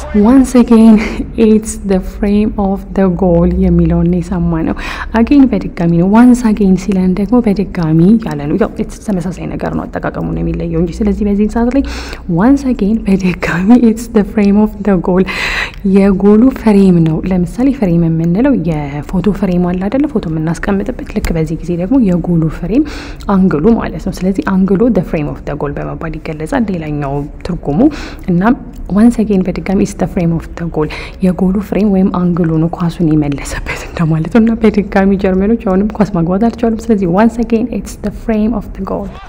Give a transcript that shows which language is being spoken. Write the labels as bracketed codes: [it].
[en] Once again, it's the frame of the goal. [am] የሚለውን ነው የሰማነው. Again, በድጋሚ ነው. [en] Once again, [am] ሲለን ደግሞ በድጋሚ ያለ ነው. ያው it's ተመሳሳይ ነገር ነው አጠቃቀሙ ነው የሚለየው እንጂ. ስለዚህ በዚህን ሰዓት ላይ [en] once again, በድጋሚ it's the frame of the goal. [am] የጎሉ ፍሬም ነው. ለምሳሌ ፍሬም የምንለው የፎቶ ፍሬም አለ አይደል? ፎቶ የምናስቀምጥበት ልክ በዚህ ጊዜ ደግሞ የጎሉ ፍሬም አንግሉ ማለት ነው. ስለዚህ አንግሉ [en] the frame of the goal [am] በመባል ይገለጻል ሌላኛው ትርጉሙ. እና [en] once again, [am] በድጋሚ [en] it's the frame of the goal [am] የጎሉ ፍሬም ወይም አንግሉ ነው ኳሱን የመለሰበት እንደማለት ነው. እና በድጋሚ ጀርመኖች አሁንም ኳስ ማግባት አልቻሉም. [en] ስለዚህ once again it's the frame of the goal.